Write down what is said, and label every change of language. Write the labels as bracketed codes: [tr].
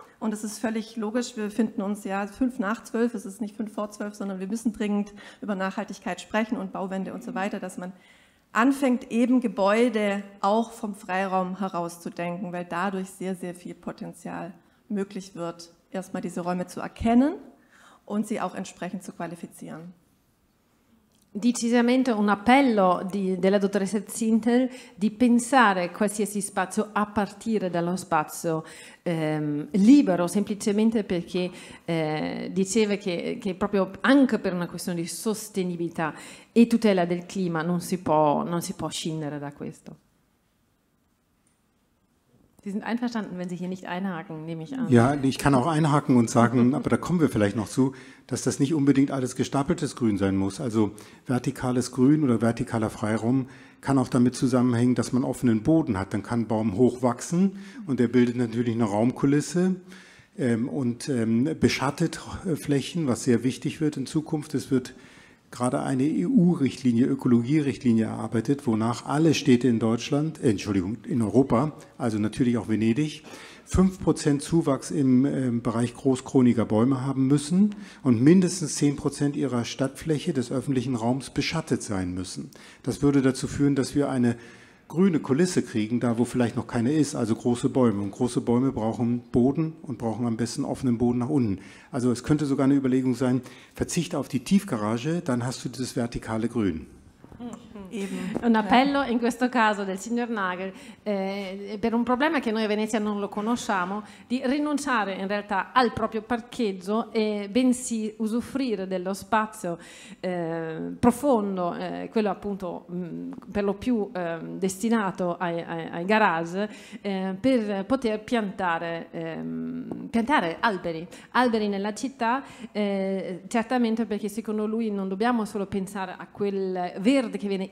[de] Und es ist völlig logisch, wir finden uns ja 11:55, es ist nicht 11:55, sondern wir müssen dringend über Nachhaltigkeit sprechen und Bauwende und so weiter, dass man anfängt, eben Gebäude auch vom Freiraum heraus zu denken, weil dadurch sehr, sehr viel Potenzial möglich wird, erstmal diese Räume zu erkennen und sie auch entsprechend zu qualifizieren. [it] Decisamente un appello della dottoressa Zintel di pensare qualsiasi spazio a partire dallo spazio libero, semplicemente perché diceva che proprio anche per una questione di sostenibilità e tutela del clima non si può scindere da questo. [de] Sie sind einverstanden, wenn Sie hier nicht einhaken, nehme ich an. Ja, ich kann auch einhaken und sagen, aber da kommen wir vielleicht noch zu, dass das nicht unbedingt alles gestapeltes Grün sein muss. Also vertikales Grün oder vertikaler Freiraum kann auch damit zusammenhängen, dass man offenen Boden hat. Dann kann ein Baum hochwachsen und der bildet natürlich eine Raumkulisse und beschattet Flächen, was sehr wichtig wird in Zukunft. Es wird gerade eine EU-Richtlinie, Ökologie-Richtlinie erarbeitet, wonach alle Städte in Deutschland, in Europa, also natürlich auch Venedig, 5% Zuwachs im Bereich großkroniger Bäume haben müssen und mindestens 10% ihrer Stadtfläche des öffentlichen Raums beschattet sein müssen. Das würde dazu führen, dass wir eine grüne Kulisse kriegen, da wo vielleicht noch keine ist, also große Bäume. Und große Bäume brauchen Boden und brauchen am besten offenen Boden nach unten. Also es könnte sogar eine Überlegung sein, verzichte auf die Tiefgarage, dann hast du dieses vertikale Grün. Eben. [it] Un appello in questo caso del signor Nagel per un problema che noi a Venezia non lo conosciamo, di rinunciare in realtà al proprio parcheggio e bensì usufruire dello spazio profondo, quello appunto per lo più destinato ai garage, per poter piantare alberi nella città, certamente, perché secondo lui non dobbiamo solo pensare a quel verde che viene